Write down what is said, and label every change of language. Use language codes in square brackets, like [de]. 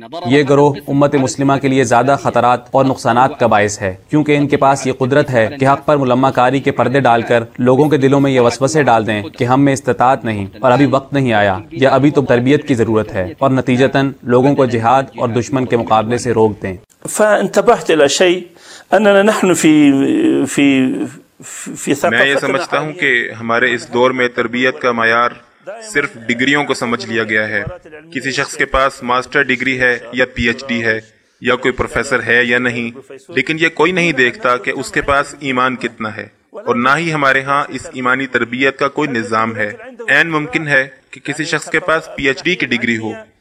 [ur] یہ گروہ امت مسلمہ کے لیے زیادہ خطرات اور نقصانات کا باعث ہے، کیونکہ ان کے پاس یہ قدرت ہے کہ حق پر ملمہ کاری کے پردے ڈال کر لوگوں کے دلوں میں یہ وسوسے ڈال دیں کہ ہم میں استطاعت نہیں اور ابھی وقت نہیں آیا، یا ابھی تو تربیت کی ضرورت ہے، اور نتیجتاً لوگوں کو جہاد اور دشمن کے مقابلے سے روک دیں۔ [ar] فانتبهت الى شيء اننا نحن في في في ثقافتنا، [ur] میں یہ سمجھتا ہوں کہ ہمارے اس دور میں تربیت کا معیار صرف ڈگریوں کو سمجھ لیا گیا ہے۔ کسی شخص کے پاس ماسٹر ڈگری ہے یا پی ایچ ڈی ہے یا کوئی پروفیسر ہے یا نہیں، لیکن یہ کوئی نہیں دیکھتا کہ اس کے پاس ایمان کتنا ہے، اور نہ ہی ہمارے ہاں اس ایمانی تربیت کا کوئی نظام ہے۔ عین ممکن ہے کہ کسی شخص کے پاس پی ایچ ڈی کی ڈگری ہو،